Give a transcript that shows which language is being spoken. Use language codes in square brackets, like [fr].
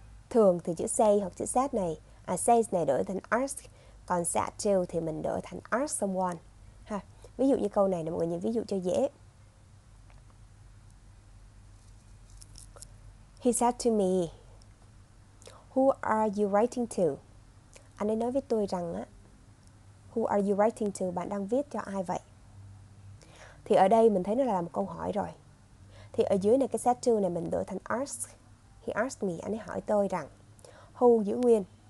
[vi] Thường thì chữ say hoặc chữ said này, says này đổi thành ask, còn said to thì mình đổi thành ask someone. Ha. Ví dụ như câu này nè, mọi người nhìn ví dụ cho dễ. [en] He said to me, who are you writing to? [vi] Anh ấy nói với tôi rằng á, [en] who are you writing to? [vi] Bạn đang viết cho ai vậy? Thì ở đây mình thấy nó là một câu hỏi rồi. Thì ở dưới này cái set to này mình đổi thành ask. [en] He asked me, [vi] anh ấy hỏi tôi rằng who giữ nguyên.